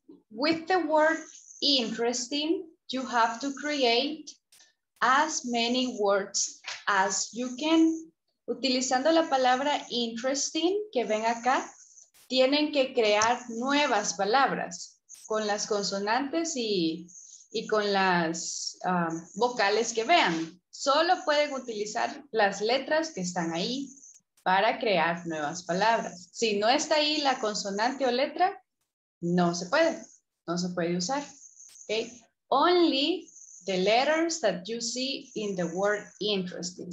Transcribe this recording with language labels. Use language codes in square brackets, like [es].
[en] With the word interesting, you have to create as many words as you can. [es] Utilizando la palabra interesting, que ven acá, tienen que crear nuevas palabras con las consonantes y con las vocales que vean. Solo pueden utilizar las letras que están ahí para crear nuevas palabras. Si no está ahí la consonante o letra, no se puede. No se puede usar. Okay? [en] Only the letters that you see in the word interesting.